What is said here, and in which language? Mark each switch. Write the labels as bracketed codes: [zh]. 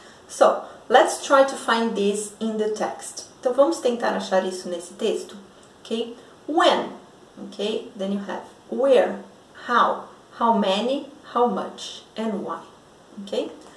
[en] So, let's try to find this in the text. [pt] Então, vamos tentar achar isso nesse texto, ok? [en] When, ok? Then you have where, how many, how much, and why, ok?